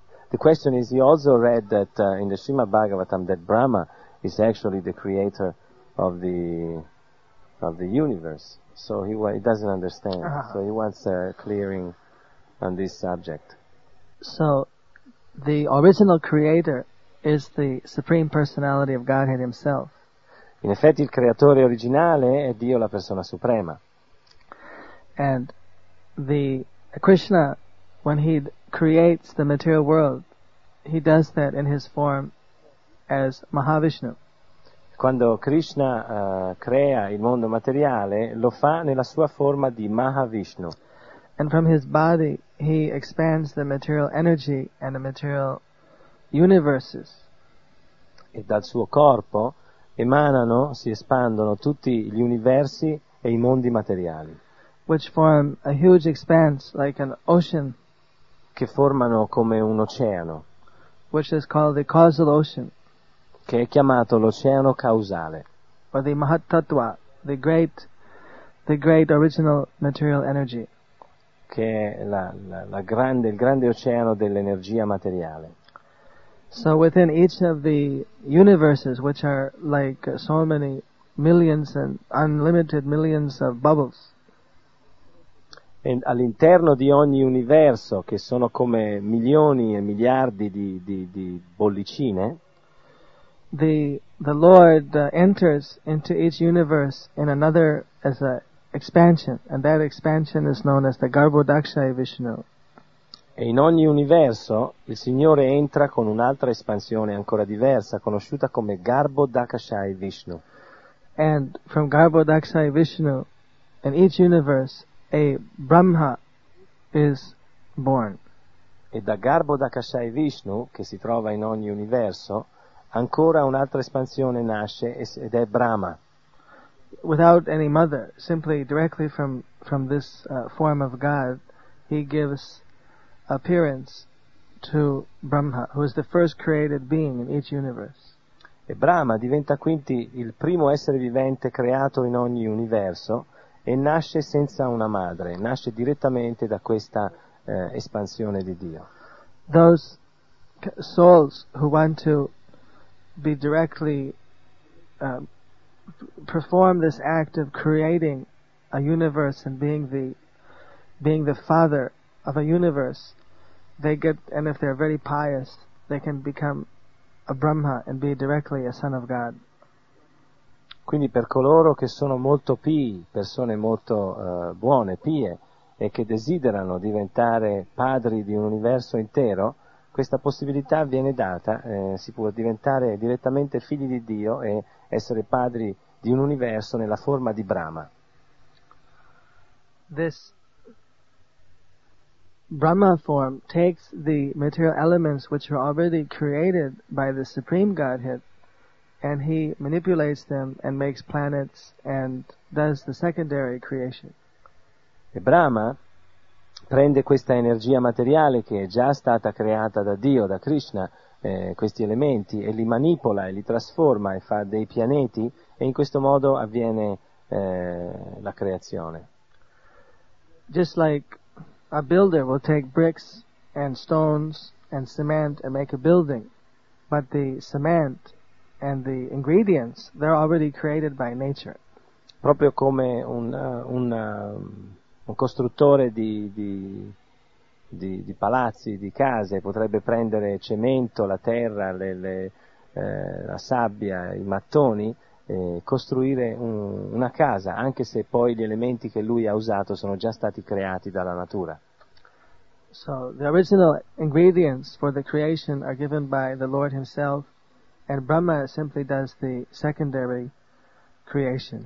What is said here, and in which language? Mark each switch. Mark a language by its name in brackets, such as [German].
[English] the question is, he also read that in the Srimad Bhagavatam that Brahma is actually the creator of the universe. So he doesn't understand. Uh-huh. So he wants a clearing on this subject. So, the original creator is the supreme personality of Godhead himself. [Italian] In effetti il creatore originale è Dio, la persona suprema. [English] And the Krishna, when he creates the material world, he does that in his form as Mahavishnu. [Italian] Quando Krishna crea il mondo materiale, lo fa nella sua forma di Mahavishnu. [English] And from his body he expands the material energy and the material universes. [Italian] E dal suo corpo emanano, si espandono tutti gli universi e i mondi materiali. [English] Which form a huge expanse like an ocean. [Italian] Che formano come un oceano. [English] Which is called the causal ocean. [Italian] Che è chiamato l'oceano causale. [English] Or the Mahatattva, the great original material energy. [Italian] Che è il grande oceano dell'energia materiale. [English] So within each of the universes, which are like so many millions and unlimited millions of bubbles. [Italian] E all'interno di ogni universo, che sono come milioni e miliardi di bollicine. [English] The Lord enters into each universe in another as a expansion, and that expansion is known as the Garbhodakshaya Vishnu. [Italian] E in ogni universo il Signore entra con un'altra espansione ancora diversa, conosciuta come Garbhodakshaya Vishnu. [English] And from Garbhodakshaya Vishnu, in each universe, a Brahma is born. [Italian] E da Garbhodakshaya Vishnu, che si trova in ogni universo, ancora un'altra espansione nasce ed è Brahma. [English] Without any mother, simply directly from this form of God, he gives appearance to Brahma, who is the first created being in each universe. [Italian] E Brahma diventa quindi il primo essere vivente creato in ogni universo e nasce senza una madre, nasce direttamente da questa espansione di Dio. [English] Those souls who want to be directly perform this act of creating a universe and being the father of a universe, they get, and if they're very pious, they can become a Brahma and be directly a son of God. [Italian] Quindi per coloro che sono molto pii, persone molto buone, pie, e che desiderano diventare padri di un universo intero, questa possibilità viene data, si può diventare direttamente figli di Dio e essere padri di un universo nella forma di Brahma. [English] This Brahma form takes the material elements which are already created by the Supreme Godhead, and he manipulates them and makes planets and does the secondary creation. [Italian] E Brahma prende questa energia materiale che è già stata creata da Dio, da Krishna, questi elementi, e li manipola e li trasforma e fa dei pianeti, e in questo modo avviene la creazione. [English] Just like a builder will take bricks and stones and cement and make a building, but the cement and the ingredients, they're already created by nature. [Italian] Proprio come un costruttore di palazzi, di case, potrebbe prendere cemento, la terra, la sabbia, i mattoni, e costruire una casa, anche se poi gli elementi che lui ha usato sono già stati creati dalla natura. [English] So the original ingredients for the creation are given by the Lord himself, and Brahma simply does the secondary creation.